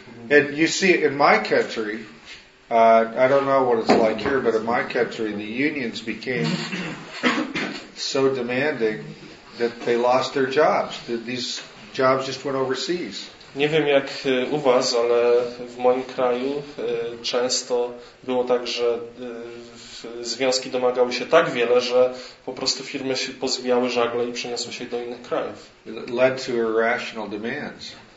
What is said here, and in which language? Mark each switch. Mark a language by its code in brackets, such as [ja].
[en] And you see, in my country, I don't know what it's like here, but in my country, the unions became so demanding that they lost their jobs. These jobs just went overseas. [pl] Nie wiem jak u was, ale w moim kraju często było tak, że związki domagały się tak wiele, że po prostu firmy się pozwijały żagle i przeniosły się do innych krajów. [en] It led to irrational demands.